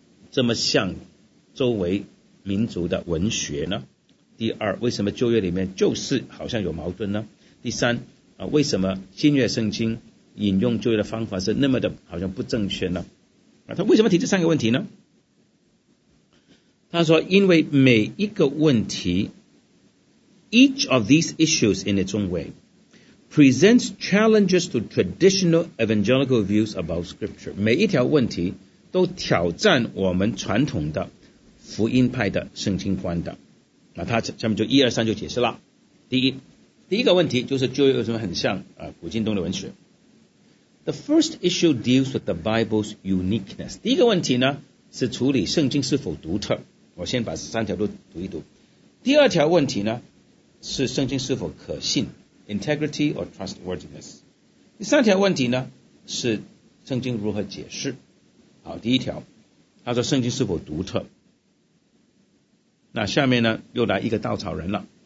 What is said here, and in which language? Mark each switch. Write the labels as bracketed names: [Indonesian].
[Chinese] 这么像周围民族的文学呢第二为什么旧约里面就是好像有矛盾呢第三、啊、为什么新约圣经引用旧约的方法是那么的好像不正确呢、啊、他为什么提这三个问题呢他说因为每一个问题 [English] Each of these issues in its own wayPresents challenges to traditional evangelical views about scripture. [Chinese] 每一条问题都挑战我们传统的福音派的圣经观的。那他下面就一二三就解释了。第一个问题就是旧约有什么很像、啊、古今东的文学。 [English] The first issue deals with the Bible's uniqueness. [Chinese] 第一个问题呢是处理圣经是否独特。我先把三条都读一读。第二条问题呢是圣经是否可信。 [English] Integrity or trustworthiness. [Chinese] 第三条问题呢是圣经如何解释。好，第一条，他说圣经是否独特。那下面呢又来一个稻草人了。